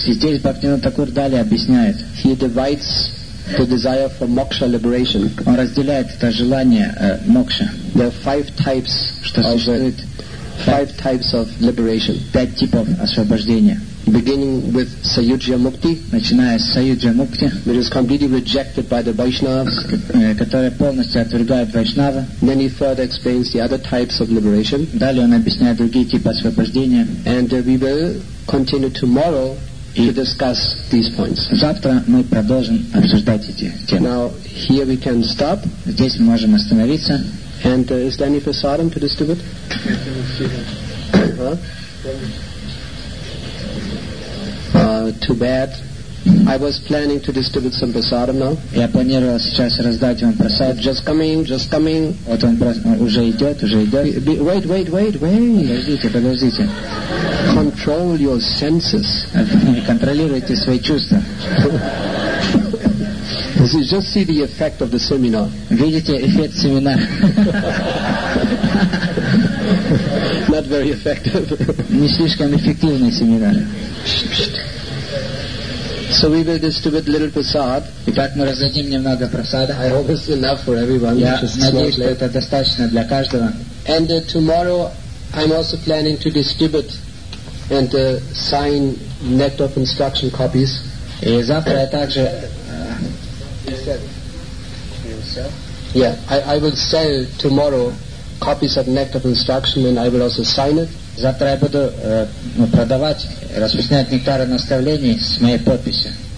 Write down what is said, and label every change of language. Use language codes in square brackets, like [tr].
[ru] И здесь Бхактивинода Такур далее объясняет. [en] He divides the desire for moksha liberation. [ru] Он разделяет это желание мокша. [en] There are five types of it. Five types of liberation. [ru] Пять типов освобождения. [en] Beginning with Sayujya Mukti, [ru] начиная с Sayujya Mukti, [en] which is completely rejected by the Vaishnavas, [ru] которая полностью отвергает Вайшнава. [en] Then he further explains the other types of liberation. [ru] Далее он объясняет другие типы освобождения. [en] And we will continue tomorrow to discuss these points. [ru] Завтра мы продолжим обсуждать эти темы. [en] Now here we can stop. [ru] Здесь мы можем остановиться. [en] And is there any prasadam to distribute? too bad. I was planning to distribute some prasadam now. [ru] Я планировал сейчас раздать вам прасад. [en] Just coming. [ru] Вот он уже идет. [en] Wait. [ru] Подождите. [en] Control your senses. [ru] Контролируйте свои чувства. [en] You just see the effect of the seminar. [ru] Видите эффект семинара? [en] Not very effective. [ru] Не слишком эффективный семинар. [en] So we will distribute little prasad. [ru] Итак, мы раздадим немного прасада. [en] I hope it's enough for everyone. [ru] Я надеюсь, что это достаточно для каждого. [en] And tomorrow, I'm also planning to distribute and sign net of instruction copies. [ru] И завтра я также. [en] Yeah, I will sell tomorrow copies of Nectar of Instruction and I will also sign it. [ru] Завтра я буду продавать, распространять нектар наставлений с моей подписью.